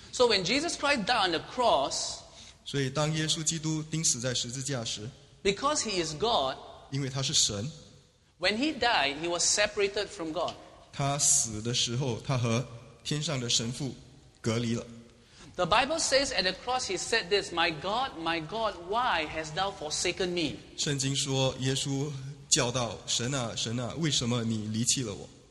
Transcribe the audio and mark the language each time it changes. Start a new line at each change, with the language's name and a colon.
English: So when Jesus Christ died on the cross,
Chinese: 所以当耶稣基督钉死在十字架时,
English: because he is God,
Chinese: 因为他是神,
English: when he died, he was separated from God.
Chinese: 他死的时候，他和天上的神父
English: The Bible says at the cross he said this, my God, why hast thou forsaken me?
Chinese: 圣经说耶稣叫道，神啊，神啊，为什么你离弃了我？